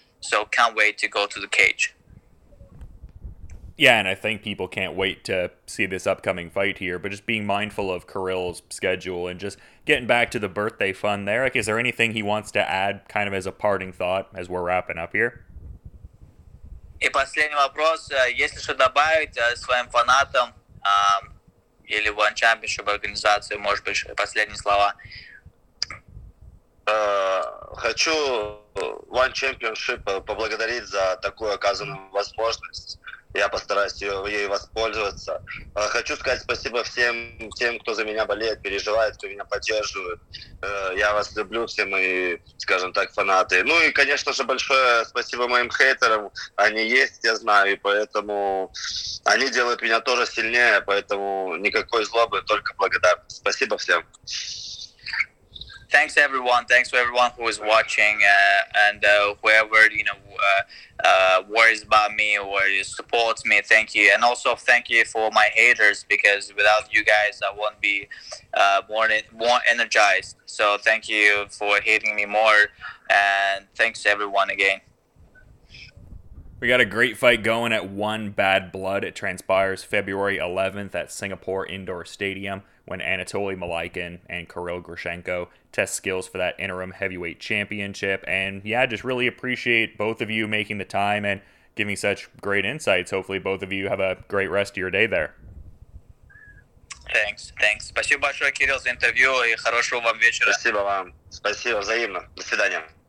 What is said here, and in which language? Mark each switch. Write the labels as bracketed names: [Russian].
[English] So can't wait to go to the cage. Yeah, and I think people can't wait to see this upcoming fight here, but just being mindful of Kirill's schedule and just getting back to the birthday fun there, like, is there anything he wants to add kind of as a parting thought as we're wrapping up here? [Russian] И последний вопрос. Если что добавить своим фанатам или ONE Championship организации, может быть, последние слова? Хочу ONE Championship поблагодарить за такую оказанную возможность. Я постараюсь ей воспользоваться. Хочу сказать спасибо всем тем, кто за меня болеет, переживает, кто меня поддерживает. Я вас люблю, все мои, скажем так, фанаты. Ну и, конечно же, большое спасибо моим хейтерам. Они есть, я знаю, и поэтому они делают меня тоже сильнее, поэтому никакой злобы, только благодарность. Спасибо всем. [English] thanks everyone. Thanks to everyone who is watching and whoever, you know, worries about me or supports me. Thank you. And also thank you for my haters, because without you guys, I won't be more energized. So thank you for hating me more. And thanks everyone again. We got a great fight going at One Bad Blood. It transpires February 11th at Singapore Indoor Stadium, when Anatoly Malykin and Kirill Grishenko test skills for that interim heavyweight championship. And yeah, just really appreciate both of you making the time and giving such great insights. Hopefully both of you have a great rest of your day there. Thanks. [Russian] Спасибо большое, Кирилл, за интервью и хорошего вам вечера. Спасибо вам. Спасибо, взаимно. До свидания.